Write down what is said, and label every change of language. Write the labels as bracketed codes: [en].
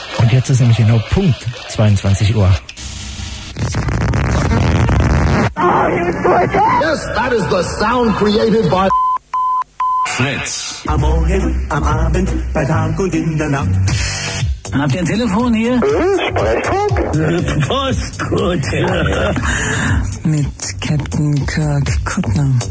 [de] jetzt ist nämlich genau Punkt 22 Uhr. [en] Yes, that is the sound created by Fritz. [de] Am Morgen, am Abend, bei Tag und in der Nacht. Habt ihr ein Telefon hier? Sprechfunk? Postkutsche. Mit Captain Kirk Kuttner.